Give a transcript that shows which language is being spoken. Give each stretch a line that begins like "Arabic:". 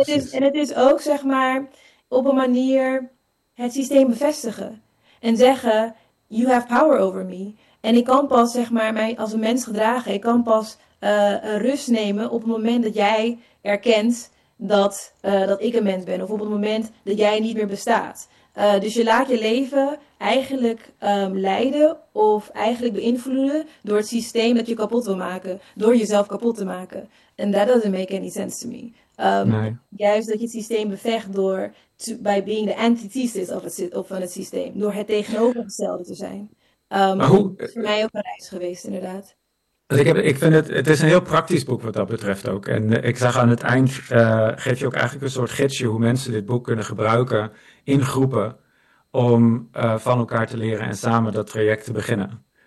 Dutch: het is ook, zeg maar, op een manier het systeem bevestigen. En zeggen,
English: you have power over me.
Dutch: En ik kan pas, zeg maar, mij als een mens gedragen. Ik kan pas rust nemen op het moment dat jij erkent dat ik een mens ben. Of op het moment dat jij niet meer bestaat. Dus je laat je leven eigenlijk leiden of eigenlijk beïnvloeden door het systeem dat je kapot wil maken. Door jezelf kapot te maken.
English: And that doesn't make any sense to me.
Dutch: Juist dat je het systeem bevecht door
English: by being the antithesis
Dutch: van het systeem. Door het tegenovergestelde te zijn. Dat is voor mij ook een reis geweest, inderdaad. Ik vind het is een heel praktisch boek wat dat betreft ook. En ik zag aan het eind, geef je ook eigenlijk een soort gidsje hoe mensen dit boek kunnen gebruiken in groepen om van elkaar te leren en samen dat traject te beginnen.